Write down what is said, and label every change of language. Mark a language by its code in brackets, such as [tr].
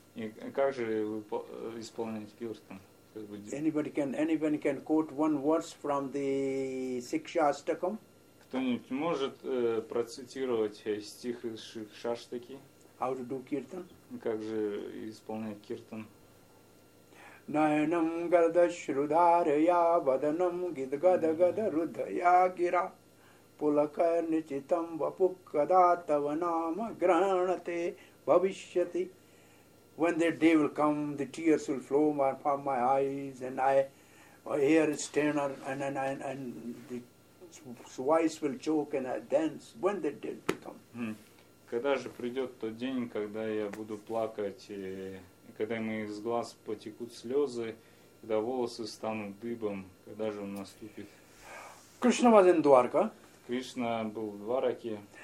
[ru] И как же вы исполнять киртан? [en] Anybody can quote one verse from the Шикшаштакам? [ru] Кто-нибудь может процитировать стих из Шикшаштаки? [en] How to do kirtan? [ru] Как же исполнять киртан? [sa] Nayanam gada shrudharaya vadanam gidgada gada rudhaya gira पुलकर्निचितं वपुकदातव नाम ग्रहणते भविष्यति. [en] When the day will come, the tears will flow from my eyes, and I hear a stainer, and the voice will choke, and I dance. When the day will come. [ru] Когда же придет тот день, когда я буду плакать, и когда из глаз потекут слезы, когда волосы станут дыбом, когда же он наступит? [en] Krishna was in Dwarka. [ru] Krishna был в Двараке.